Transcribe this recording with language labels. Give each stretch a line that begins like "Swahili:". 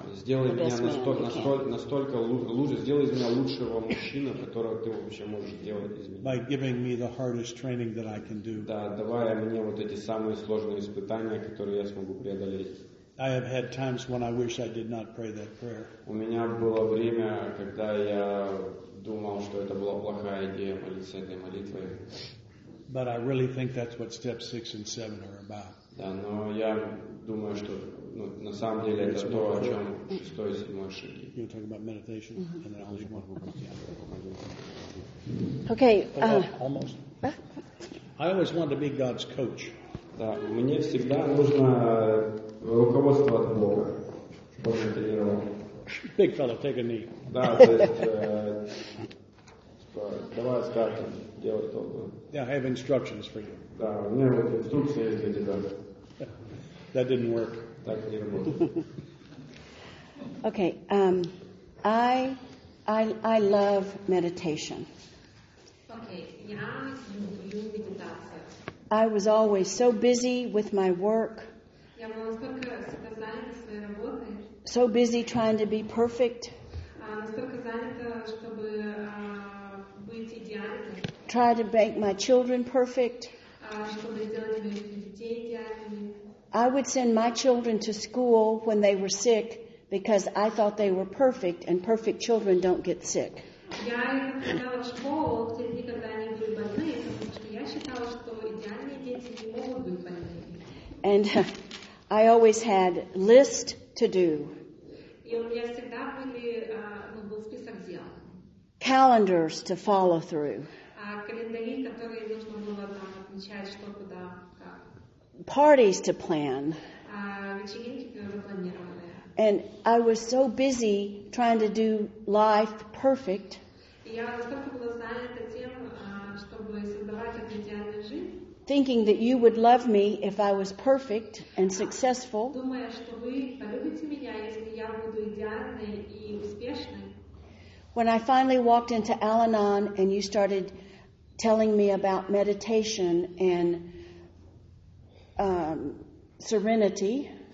Russian: Сделай меня настолько лучше. Сделай из меня лучшего мужчину, которого ты вообще можешь сделать из меня.
English: By giving me the hardest training that I can do.
Russian: Да, давая мне вот эти самые сложные испытания, которые я смогу преодолеть.
English: I have had times when I wish I did not pray that prayer.
Russian: У меня было время, когда я думал, что это была плохая идея молиться этой молитвой.
English: But I really think that's what steps 6 and 7 are about.
Russian: Да, но я думаю, что на самом деле это то, о чем шестой и седьмой шаги.
English: You're talking about meditation, and then I'll just move on. Okay. Almost. I always wanted to be God's coach.
Russian: Да, мне всегда нужно руководство от Бога, чтобы тренировал.
English: Big fella, take a knee.
Russian: Да, то есть, давай скажем, делай то.
English: Yeah, I have instructions for you.
Russian: Да, у меня вот инструкции есть для тебя.
English: That didn't work.
Russian: Так не работает.
English: Okay, I love meditation.
Russian: Okay, я люблю медитацию.
English: I was always so busy with my work.
Russian: Я была настолько всегда занята своей работой.
English: So busy trying to be perfect.
Russian: Настолько занята, чтобы быть идеальной.
English: Try to make my children perfect.
Russian: Чтобы сделать моих детей идеальными.
English: I would send my children to school when they were sick because I thought they were perfect, and perfect children don't get sick.
Russian: Я ходила в школу, в те дни, когда они были больные, потому что я считала, что идеальные дети не могут быть больными.
English: And I always had list to do.
Russian: И у меня всегда были, был список дел.
English: Calendars to follow through.
Russian: Календари, которые нужно было там отмечать, что куда, как.
English: Parties to plan.
Russian: Вечеринки, которые планировали.
English: And I was so busy trying to do life perfect.
Russian: Я настолько была занята тем, чтобы создавать эту идеальную жизнь.
English: Thinking that you would love me if I was perfect and successful.
Russian: Думая, что вы полюбите меня, если я буду идеальной и успешной.
English: When I finally walked into Al-Anon and you started telling me about meditation and serenity.